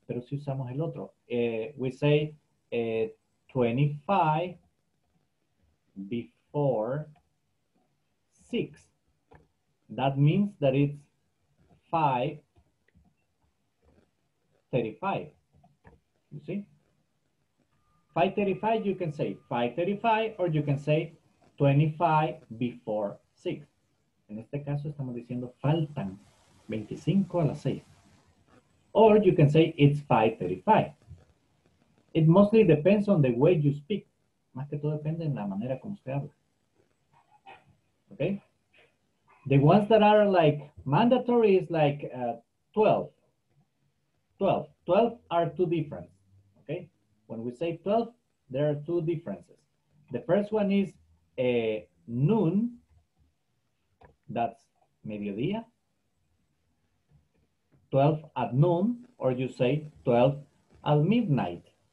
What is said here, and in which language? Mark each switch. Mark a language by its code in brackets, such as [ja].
[es] Pero si usamos el otro. [en] We say 25 before 6. That means that it's 5:35. You see? 5:35, you can say 5:35, or you can say 25 before 6. [es] En este caso, estamos diciendo faltan 25 a las 6. [en] Or you can say it's 5:35. It mostly depends on the way you speak. [es] Más que todo depende en la manera como usted habla. [en] Okay? The ones that are like mandatory is like 12. 12. 12 are two different. Okay? When we say 12, there are two differences. The first one is noon, that's mediodía, 12 at noon, or you say 12 at midnight.